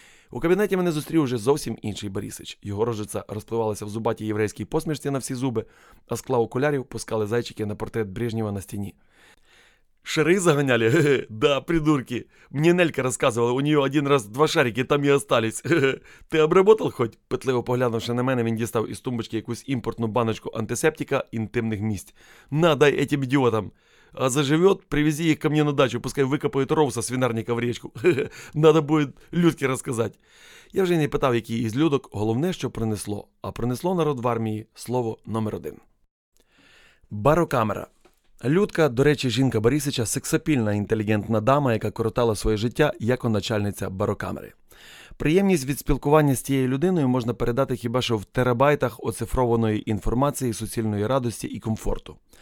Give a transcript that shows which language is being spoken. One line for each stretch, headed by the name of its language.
Ukrainian: У кабінеті мене зустрів уже зовсім інший Борисич. Його рожиця розпливалася в зубатій єврейській посмішці на всі зуби, а скла окулярів пускали зайчики на портрет Брежнєва на стіні. «Шари заганяли? Хе-хе. Да, придурки. Мені Нелька розказувала, у нього один раз два шарики там і остались. Хе-хе.
Russian: Ти обработал хоть?»
Ukrainian: Петливо поглянувши на мене, він дістав із тумбочки якусь імпортну баночку антисептика інтимних місць.
Russian: «На, дай этим ідіотам! А заживет, привези їх ко мне на дачу, пускай викопают ров со свинарника в речку. Надо будет Людке рассказать».
Ukrainian: Я вже не питав, який із Людок, головне, що принесло. А принесло народ в армії слово номер один. Барокамера. Людка, до речі, жінка Борисича, сексапільна інтелігентна дама, яка коротала своє життя як начальниця барокамери. Приємність від спілкування з тією людиною можна передати хіба що в терабайтах оцифрованої інформації, суцільної радості і комфорту.